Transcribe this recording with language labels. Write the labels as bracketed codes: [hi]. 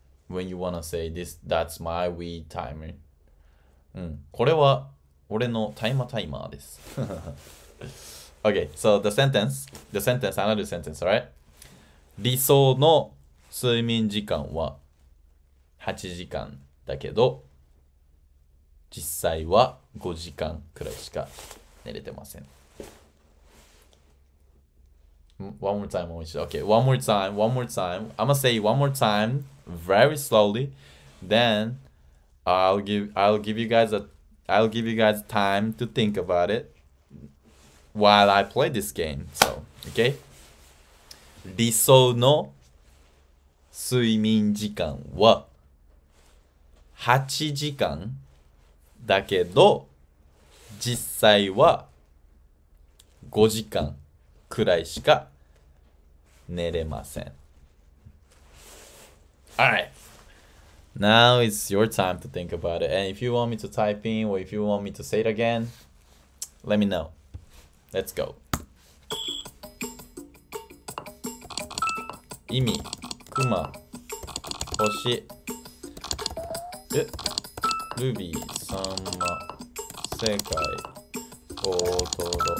[en] When you wanna say this, that's my weed timer. [ja] これは俺のタイマータイマーです。 [en] Okay, so the sentence, another sentence, right? [ja] 理想の睡眠時間は8時間だけど、実際は5時間くらいしか寝れてません。 [en] One more time. I'm gonna say one more time, very slowly, then... I'll give you guys time to think about it while I play this game. So, okay? [ja] 理想の睡眠時間は8時間だけど実際は5時間くらいしか寝れません。 [en] All right. Now it's your time to think about it. And if you want me to type in or if you want me to say it again, let me know. Let's go. [ja] 意味、クマ、星、ルビー、サンマ、世界、オートロ、